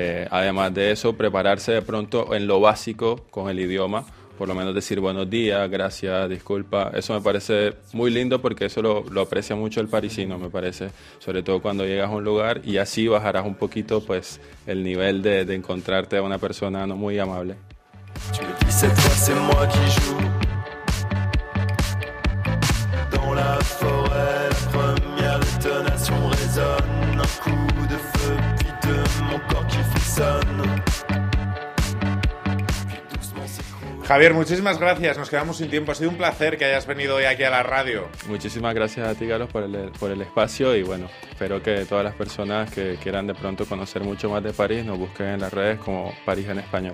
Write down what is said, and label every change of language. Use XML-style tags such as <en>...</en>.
<es>Además de eso, prepararse de pronto en lo básico con el idioma, por lo menos decir buenos días, gracias, disculpa. Eso me parece muy lindo porque eso lo aprecia mucho el parisino, me parece, sobre todo cuando llegas a un lugar, y así bajarás un poquito pues el nivel de encontrarte a una persona no muy amable.</es> <fr>Tu le dis cette fois c'est moi qui joue. Dans la forêt, la première détonation résonne. Un coup de feu, puis de mon corps qui frissonne.</fr> <es>Javier, muchísimas gracias. Nos quedamos sin tiempo. Ha sido un placer que hayas venido hoy aquí a la radio. Muchísimas gracias a ti, Carlos, por el espacio. Y bueno, espero que todas las personas que quieran de pronto conocer mucho más de París nos busquen en las redes como París en Español.</es>